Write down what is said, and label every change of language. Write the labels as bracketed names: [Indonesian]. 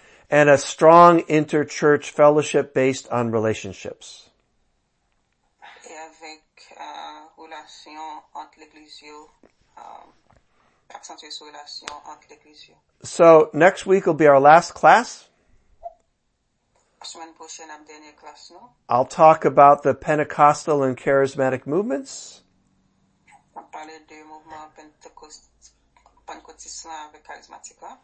[English] And a strong inter-church fellowship based on relationships. [French] Et avec, relation entre l'église, accentuée sur relation entre l'église. [English] So, next week will be our last class. [French] Semaine prochaine, notre dernière classe, non? [English] I'll talk about the Pentecostal and charismatic movements. [French] On parle de mouvement pentecôtiste avec charismatique.